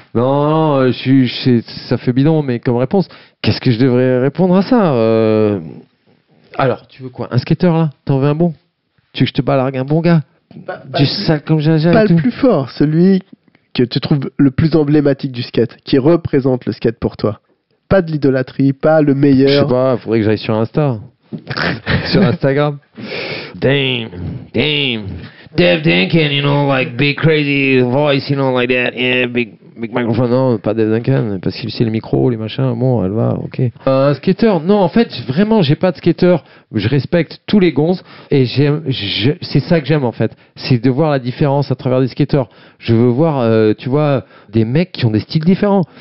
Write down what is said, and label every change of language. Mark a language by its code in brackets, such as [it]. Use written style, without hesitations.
[fr] Non, ça fait bidon, mais comme réponse, qu'est-ce que je devrais répondre à ça Alors, tu veux quoi, un skater là, t'en veux un bon? Tu veux que je te balargue un bon gars sale comme Jaja et tout. Pas le plus fort, celui que tu trouves le plus emblématique du skate, qui représente le skate pour toi. Pas de l'idolâtrie, pas le meilleur. Je sais pas, faudrait que j'aille sur Insta. Sur Instagram. Damn. [en] Dev Duncan, you know, like big crazy voice, you know, like that. Yeah, big microphone. [fr] Non, pas Dev Duncan, parce qu'il sait le micro, les machins. Bon, elle va, ok. Un skater. Non, en fait, vraiment, j'ai pas de skater. Je respecte tous les gonzes et c'est ça que j'aime en fait. C'est de voir la différence à travers des skateurs. Je veux voir, tu vois, des mecs qui ont des styles différents.